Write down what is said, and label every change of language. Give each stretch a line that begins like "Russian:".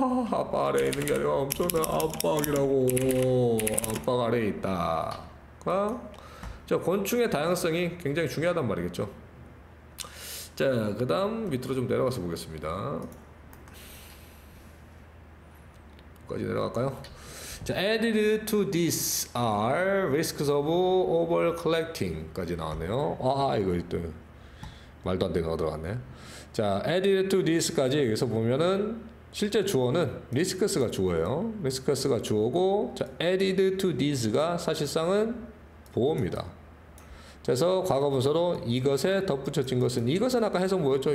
Korean: 압박 아래에 있는 게 아니라 엄청난 압박이라고. 압박 아래에 있다. 자, 곤충의 다양성이 굉장히 중요하단 말이겠죠. 자, 그 다음 밑으로 좀 내려가서 보겠습니다. 여기까지 내려갈까요?
English: 자, added to this are risks of overcollecting
Korean: 까지 나왔네요. 아, 이거 또 말도 안 되는 거 들어갔네. 자,
English: added to this
Korean: 까지 여기서 보면은 실제 주어는 risks가 주어예요. risks가 주어고, 자,
English: added to this
Korean: 가 사실상은 보호입니다. 그래서 과거분사로 이것에 덧붙여진 것은, 이것은 아까 해석 뭐였죠?